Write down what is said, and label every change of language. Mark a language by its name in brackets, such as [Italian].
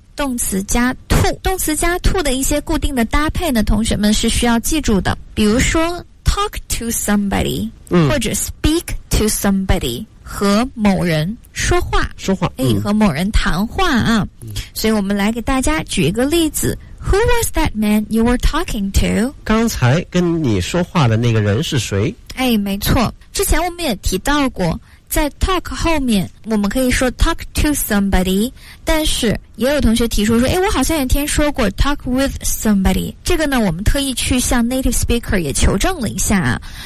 [Chinese] 动词加 to， 动词加 to 的一些固定的搭配呢，同学们是需要记住的。比如说 [English] talk to somebody， [Chinese] 或者 [English] speak to somebody， [Chinese] 和某人说话，说话，和某人谈话啊。所以我们来给大家举一个例子 ： [English] Who was that man you were talking to？ [Chinese] 刚才跟你说话的那个人是谁？哎，没错，之前我们也提到过。在 talk 后面我们可以说 talk to somebody， 但是也有同学提出说我好像也听说过 [English] talk with somebody， [Chinese] 这个呢我们特意去向 native speaker 也求证了一下啊，